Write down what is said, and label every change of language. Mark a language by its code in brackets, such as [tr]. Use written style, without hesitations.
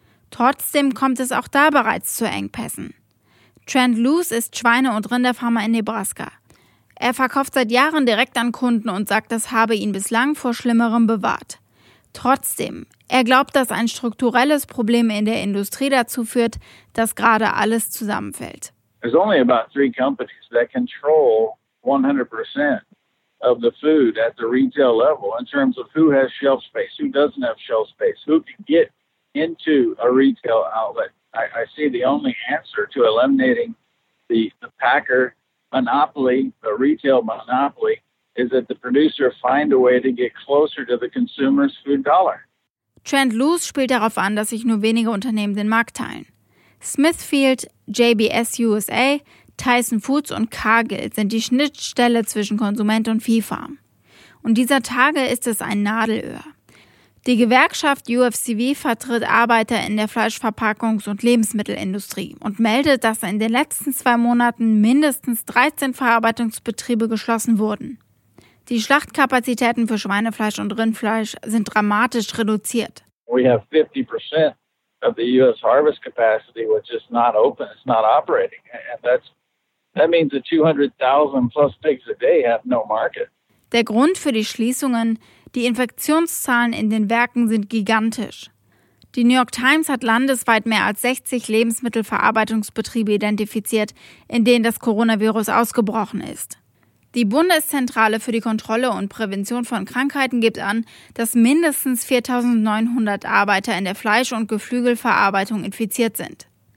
[de] Trotzdem kommt es auch da bereits zu Engpässen. Trent Luce ist Schweine- und Rinderfarmer in Nebraska. Er verkauft seit Jahren direkt an Kunden und sagt, das habe ihn bislang vor Schlimmerem bewahrt. Trotzdem, er glaubt, dass ein strukturelles Problem in der Industrie dazu führt, dass gerade alles zusammenfällt. [en] There's only about 3 companies that control 100% of the food at the retail level in terms of who has shelf space, who doesn't have shelf space, who can get into a retail outlet. I see the only answer to eliminating the packer monopoly, the retail monopoly, is that the producer find a way to get closer to the consumer's food dollar. [de] Trent Luce spielt darauf an, dass sich nur wenige Unternehmen den Markt teilen. Smithfield, JBS USA, Tyson Foods und Cargill sind die Schnittstelle zwischen Konsument und Viehfarm. Und dieser Tage ist es ein Nadelöhr. Die Gewerkschaft UFCW vertritt Arbeiter in der Fleischverpackungs- und Lebensmittelindustrie und meldet, dass in den letzten 2 Monaten mindestens 13 Verarbeitungsbetriebe geschlossen wurden. Die Schlachtkapazitäten für Schweinefleisch und Rindfleisch sind dramatisch reduziert. [en] We have 50% of the US harvest capacity, which is not open, it's not operating. And that means that 200,000 plus pigs a day have no market. [de] Der Grund für die Schließungen: die Infektionszahlen in den Werken sind gigantisch. Die New York Times hat landesweit mehr als 60 Lebensmittelverarbeitungsbetriebe identifiziert, in denen das Coronavirus ausgebrochen ist. Die Bundeszentrale für die Kontrolle und Prävention von Krankheiten gibt an, dass mindestens 4.900 Arbeiter in der Fleisch- und Geflügelverarbeitung infiziert sind.